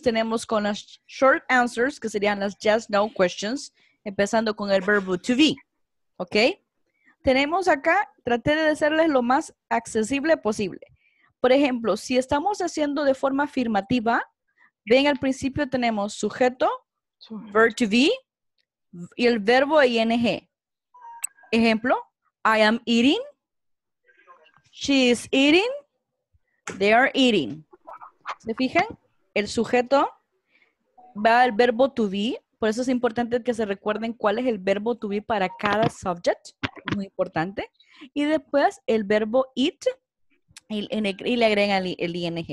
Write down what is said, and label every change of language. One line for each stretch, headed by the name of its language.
Spanish: Tenemos con las short answers, que serían las yes, no questions, empezando con el verbo to be. Okay? Tenemos acá, traté de hacerles lo más accesible posible. Por ejemplo, si estamos haciendo de forma afirmativa, ven al principio tenemos sujeto, verb to be, y el verbo ing.
English: Ejemplo, I am eating, she is eating, they are eating.
Spanish: ¿Se fijan? El sujeto va al verbo to be, por eso es importante que se recuerden cuál es el verbo to be para cada subject. Muy importante. Y después el verbo eat y le agregan el ing.